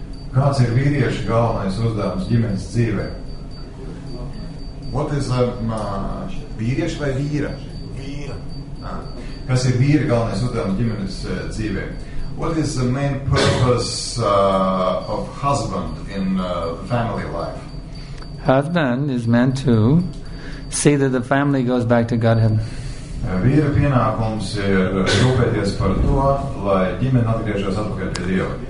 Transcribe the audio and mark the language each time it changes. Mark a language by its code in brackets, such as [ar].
[lv] Kāds ir vīriešu galvenais uzdevums ģimenes dzīvē? [en] What is a [lv] vīriešu vai vīra? Vīra. Kas ir vīra galvenais uzdevums ģimenes dzīvē? [en] What is the main purpose of husband in family life? Husband is meant to see that the family goes back to Godhead. [lv] Vīra pienākums ir rūpēties par to, lai ģimene atgriežas atpakaļ pie Dieva.